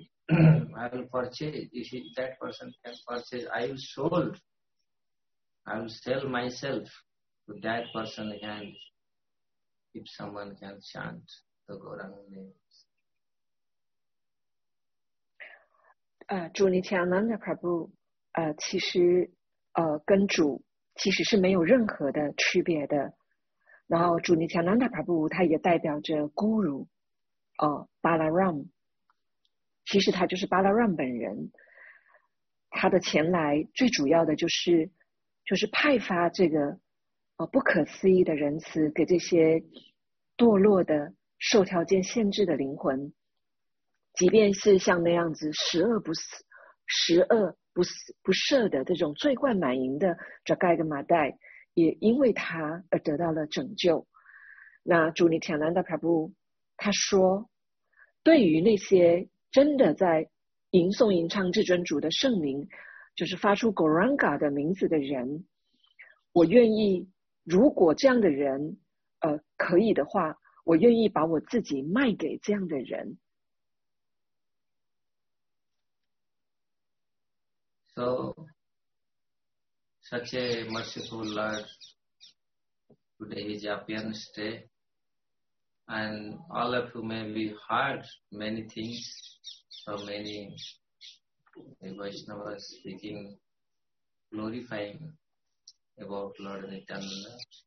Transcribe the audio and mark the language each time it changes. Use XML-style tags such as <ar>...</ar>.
<en>I will purchase. You see, that person can purchase. I will sold. I will sell myself to that person hand if someone can chant the Gauranga names.</en> <zh>主尼提亚南达帕布，其实，跟主其实是没有任何的区别的。然后，主尼提亚南达帕布，它也代表着 Guru， 巴拉拉姆，其实他就是巴拉拉姆本人。他的前来最主要的就是派发这个，不可思议的仁慈给这些堕落的、受条件限制的灵魂。即便是像那样子十恶不赦的这种罪贯满盈的扎盖格马代，也因为他而得到了拯救。那主尼提亚南达帕布他说，对于那些真的在吟诵吟唱至尊主的圣名，就是发出 Gauranga 的名字的人，我愿意，如果这样的人可以的话，我愿意把我自己卖给这样的人。</zh> <en>So, such a merciful Lord, today is Appearance Day, and all of you may be heard many things from many Vaishnavas speaking, glorifying about Lord Nityananda.</en>